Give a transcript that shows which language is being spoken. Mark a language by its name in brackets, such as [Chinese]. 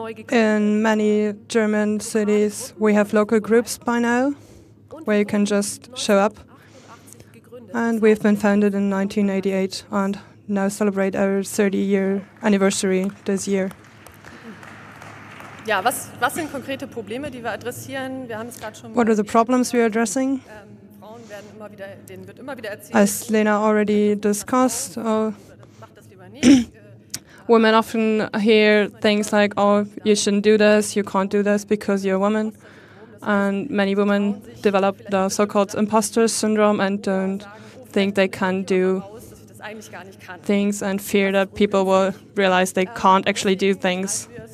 [English] In many German cities we have local groups by now where you can just show up. And we've been founded in 1988 and now celebrate our 30-year anniversary this year. [German] Ja, was sind konkrete Probleme, die wir adressieren? Wir haben es gerade schon. [English] What are the problems we are addressing? [German] Frauen werden immer wieder, denen wird immer wieder erzählt. [English] As Lena already discussed, women often hear things like, "Oh, you shouldn't do this. You can't do this because you're a woman." And many women develop the so-called imposter syndrome and don't think they can do things and fear that people will realize they can't actually do things.